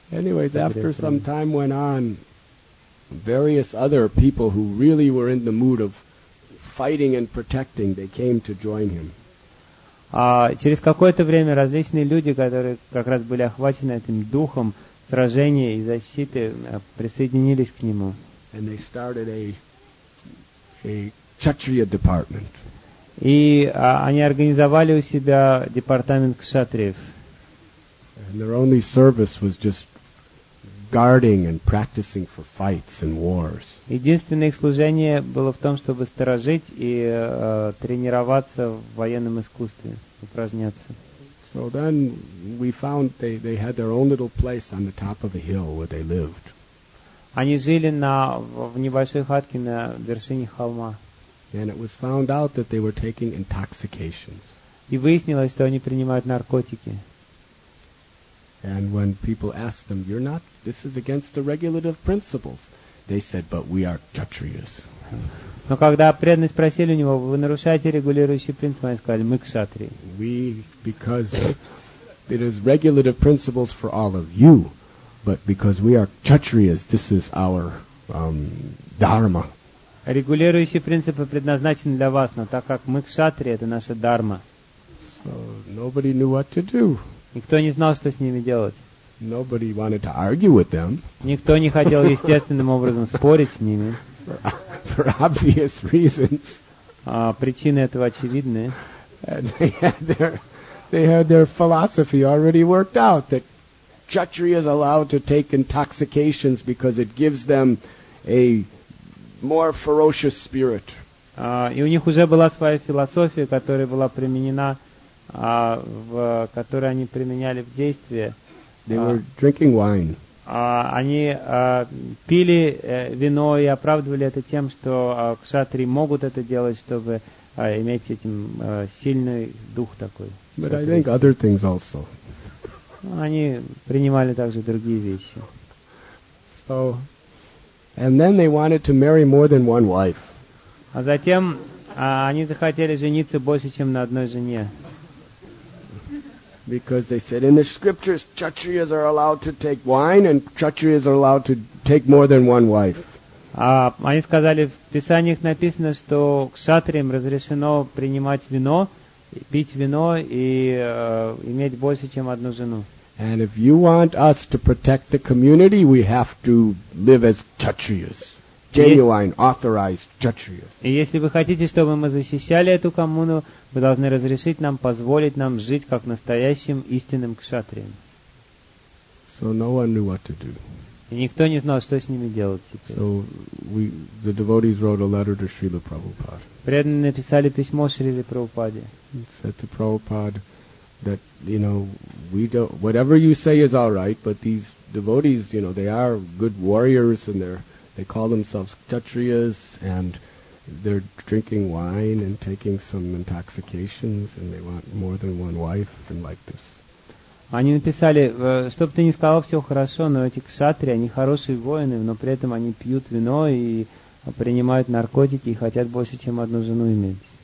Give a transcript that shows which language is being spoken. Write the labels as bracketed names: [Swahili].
[English] Anyways, after some time went on, various other people who really were in the mood of fighting and protecting, they came to join him. [Russian] Через какое-то время различные люди, которые как раз были охвачены этим духом сражения и защиты, присоединились к нему. [English] And they started a Kshatriya department. [Russian] И они организовали у себя департамент кшатриев. [English] And their only service was just guarding and practicing for fights and wars. [Russian] Единственное их служение было в том, чтобы сторожить и тренироваться в военном искусстве, упражняться. [English] So then we found they had their own little place on the top of a hill where they lived. [Russian] Они жили в небольшой хатке на вершине холма. [English] And it was found out that they were taking intoxications. [Russian] И выяснилось, что они принимают наркотики. [English] And when people asked them, "You're not. This is against the regulative principles," they said, "But we are kshatriyas." [Russian] Но когда преданные спросили у него, вы нарушаете регулирующие принципы, они сказали, мы кшатри. [English] We, because it is regulative principles for all of you, but because we are kshatriyas, this is our dharma. [Russian] Регулирующие принципы предназначены для вас, но так как мы кшатри, это наша дхарма. [English] So nobody knew what to do. [Russian] Никто не знал, что с ними делать. [English] Nobody wanted to argue with them. [Russian] Никто не хотел естественным образом спорить с ними. [English] For obvious reasons. [Russian] Причины этого очевидны. [English] And they had their philosophy already worked out that kshatriya is allowed to take intoxications because it gives them a more ferocious spirit. [Russian] И у них уже была своя философия, которая была применена, которую они применяли в действии. [English] They were drinking wine. [Russian] Они пили вино и оправдывали это тем, что кшатри могут это делать, чтобы иметь этим сильный дух такой. [English] But I think other things also. [Russian] Они принимали также другие вещи. [English] So. And then they wanted to marry more than one wife. [Russian] А затем они захотели жениться больше, чем на одной жене. [English] Because they said in the scriptures, kshatriyas are allowed to take wine, and kshatriyas are allowed to take more than one wife. [Russian] Они сказали, в писаниях написано, что кшатриям разрешено принимать вино, пить вино и иметь больше, чем одну жену. [English] And if you want us to protect the community, we have to live as kshatriyas, genuine, authorized kshatriyas. [Russian] И если вы хотите, чтобы мы защищали эту коммуну, вы должны разрешить нам, позволить нам жить как настоящим истинным кшатриям. [English] So no one knew what to do. [Russian] И никто не знал, что с ними делать теперь. [English] So the devotees wrote a letter to Srila Prabhupada. [Russian] Преданные написали письмо Шриле Прабхупаде. [English] Said to Prabhupada that, you know, we don't, whatever you say is all right, but these devotees, you know, they are good warriors, and they call themselves kshatriyas, and they're drinking wine and taking some intoxications, and they want more than one wife and like this. [Russian] Они написали, что бы ты ни сказал, все хорошо, но эти кшатри, они хорошие воины, но при этом они пьют вино и принимают наркотики и хотят больше, чем одну жену иметь.